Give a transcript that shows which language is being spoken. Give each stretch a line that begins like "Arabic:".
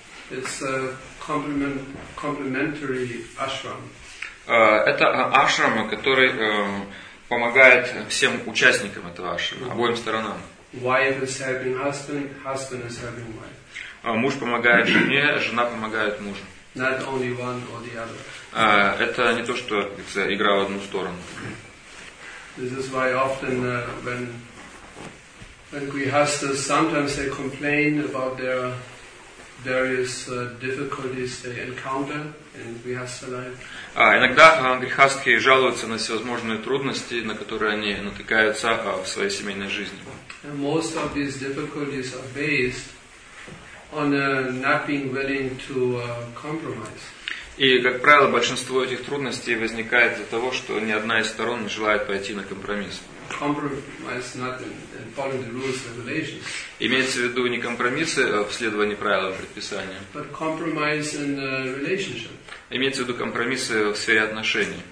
Russian: Это ашрам, который помогает всем участникам этого ашрама, обоим сторонам. Муж помогает жене, жена помогает мужу.
English: Not only one or the other.
Russian: Это не то, что игра в одну сторону.
English: This is why often when grihasthas sometimes they complain about their various difficulties they encounter in grihastha life.
Russian: Иногда грихастхи жалуются на всевозможные трудности, на которые они натыкаются в своей семейной жизни.
English: And most of these difficulties are based on not being willing to compromise.
Russian: И, как правило, большинство этих трудностей возникает из-за того, что ни одна из сторон не желает пойти на компромисс.
English: Compromise not in following the rules and regulations.
Russian: Имеется в виду не компромиссы в следовании правилам и предписаниям.
English: But compromise in the relationship.
Russian: Имеется в виду компромиссы в сфере отношений.